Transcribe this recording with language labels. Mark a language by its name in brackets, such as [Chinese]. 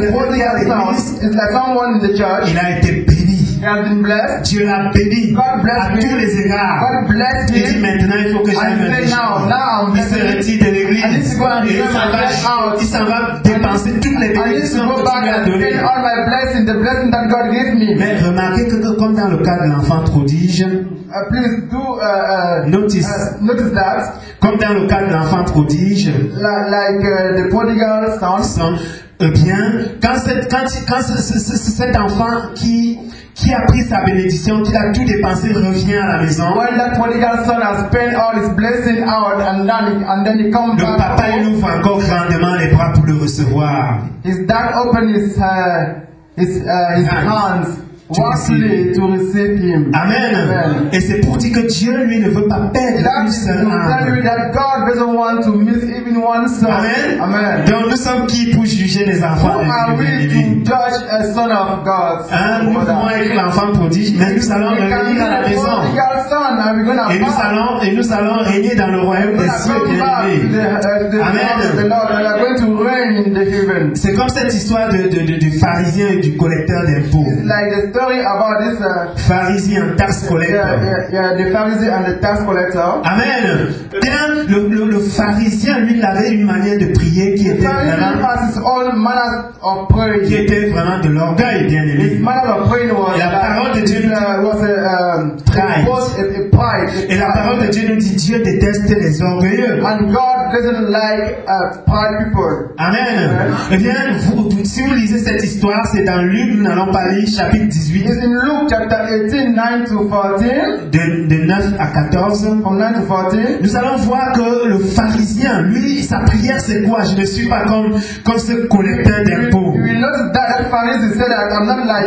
[English] le prodigal son. It's like someone in the church. [French] Il a été béni. [English] He has been blessed. [French] Dieu l'a béni. [English] God blessed [French] à tous les égards. [English] God blessed [French] il dit maintenant, il faut que j'aille me [English] now, [French] il se retire de l'église. Il s'en va dépenser toutes les bénédictions que Dieu lui a données. [English] All my blessings, the blessing that God gave me. [French] Mais remarquez que comme dans le cas de l'enfant prodige, [English] please do notice that. [French] Comme dans le cas de l'enfant prodige, [English] the prodigal son. [French] Bien, quand cet enfant qui a pris sa bénédiction, qui a tout dépensé, revient à la maison. [English] When that prodigal son has spent all his blessing out and then he comes back. [French] Le papa il ouvre encore grandement les bras pour le recevoir. [English] His dad opened his hands. To receive him. Amen. Amen. [French] Et c'est pour dire que Dieu lui ne veut pas perdre une seule âme. [English] That means that God doesn't want to miss even one soul. Amen. Amen. [French] Donc nous sommes qui pour juger les enfants de Dieu? [English] Who are we to judge a son of God? [French] Nous pouvons être l'enfant prodige, mais nous allons régner à la maison. Et nous allons régner dans le royaume des cieux, bien aimé. Amen. C'est comme cette histoire du pharisien et du collecteur d'impôts. [English] Story about this pharisee and tax collector. Yeah, the pharisee and the tax collector. Amen. [French] Bien, le pharisien lui avait une manière de prier qui était vraiment. [English] Has his own manner of praying. [French] Qui était vraiment de l'orgueil, bien aimé. [English] His manner of praying was. [French] Et la parole de Dieu [English] was a pride. [French] Et la parole de Dieu nous dit Dieu déteste les orgueilleux. [English] And God doesn't like proud people. Amen. [French] Bien, si vous lisez cette histoire, c'est dans Luc, nous n'allons pas lire chapitre. 18. [English] It's in Luke chapter 18, 9 to 14. [French] De 9 à 14. [English] From 9 to 14. [French] Nous allons voir que le pharisien, lui, sa prière c'est quoi? Je ne suis pas comme ce collecteur d'impôts. [English] You will notice that the pharisee said that I'm not like.